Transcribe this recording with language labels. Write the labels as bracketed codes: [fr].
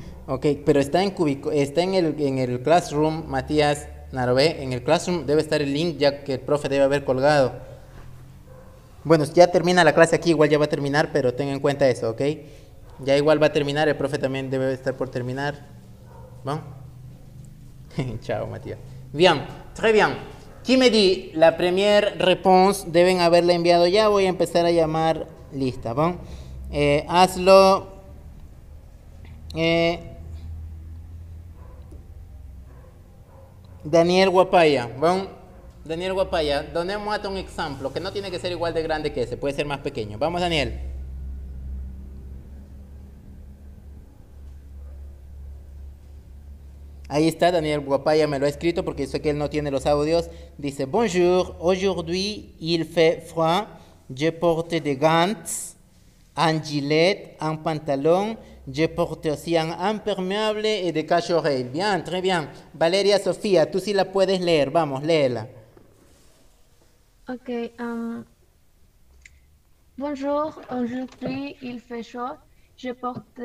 [es] Ok, pero está en cubico, está en el Classroom, Matías Narové. En el Classroom debe estar el link, ya que el profe debe haber colgado. Bueno, ya termina la clase aquí, igual ya va a terminar, pero ten en cuenta eso, ¿ok? Ya igual va a terminar, el profe también debe estar por terminar. ¿Bon? Chao, Matías. Bien, [fr] très bien. ¿Qui me dit la première réponse? [es] Deben haberla enviado ya, voy a empezar a llamar lista, ¿bon? Hazlo. Daniel Guapaya, ¿bon? Daniel Guapaya, donemos a un ejemplo que no tiene que ser igual de grande que ese, puede ser más pequeño. Vamos, Daniel. Ahí está, Daniel Guapaya me lo ha escrito porque sé que él no tiene los audios. [fr] Dice, bonjour, aujourd'hui il fait froid, je porte des gants, un gilet, un pantalon, je porte aussi un imperméable et des cache-oreilles. Bien, très bien. [es] Valeria Sofía, tú sí la puedes leer, vamos, léela. [fr] Ok, bonjour, aujourd'hui il fait chaud, je porte